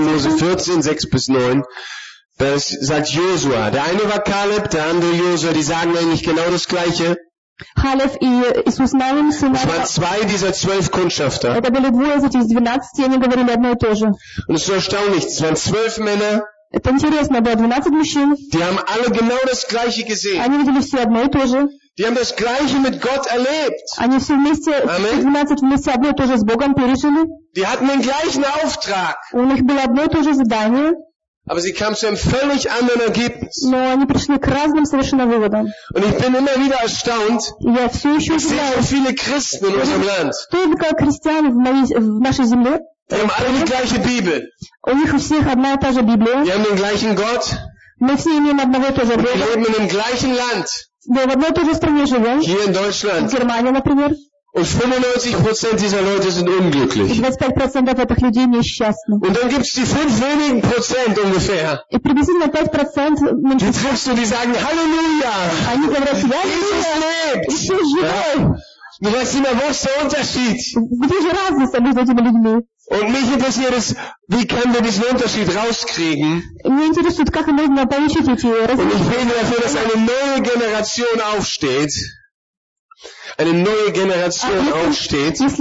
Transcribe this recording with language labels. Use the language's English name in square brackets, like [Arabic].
[German] Mose 14, 6 bis 9, da sagt Josua, der eine war Caleb, der andere Josua, die sagen eigentlich genau das Gleiche. [Russian] Halef и Иисус Навин сына. Это были 2 [German] dieser 12 Kundschafter. [Russian] Это были 2 из этих 12, и они говорили одно и то же. [German] Und es ist erstaunlich, es waren 12 Männer. [Russian] Это интересно, было 12 мужчин. [German] Die haben alle genau das gleiche gesehen. [Russian] Они видели все одно и то же. [German] Die haben das gleiche mit Gott erlebt. [Russian] Они все вместе, все 12 вместе одно и то же с Богом пережили. [German] Die hatten den gleichen Auftrag. [Russian] У них было одно и то же задание. [German] Aber sie kamen zu einem völlig anderen Ergebnis. [Russian] Но они пришли к разным совершенно выводам. [German] Und ich bin immer wieder erstaunt. [Russian] Я все еще удивляюсь. Столько христиан в нашей земле. [German] Wir haben alle die gleiche Bibel. [Russian] У них у всех одна и та же Библия. [German] Wir haben den gleichen Gott. [Russian] Мы все имеем одного и того же Бога. [German] Wir leben im gleichen Land. [Russian] Мы в одной и той же стране живем. [German] Hier in Deutschland. [Russian] В Германии, например. [German] Und 95% dieser Leute sind unglücklich. [Russian] 95% этих людей несчастны. [German] Und dann gibt's die 5 wenigen Prozent ungefähr. [Russian] И приблизительно 5% меньше. [German] Die triffst du, die sagen Halleluja. [Russian] Они говорят, я [German] Jesus lebt. [Russian] Еще живой. [German] Du weißt immer, wo ist der Unterschied? [Russian] Где же разница между этими людьми? [German] Und mich interessiert es, wie können wir diesen Unterschied rauskriegen? [Russian] Меня интересует, как можно получить эти разницы. [German] Und ich bete dafür, dass eine neue Generation aufsteht. Eine neue Generation aufsteht.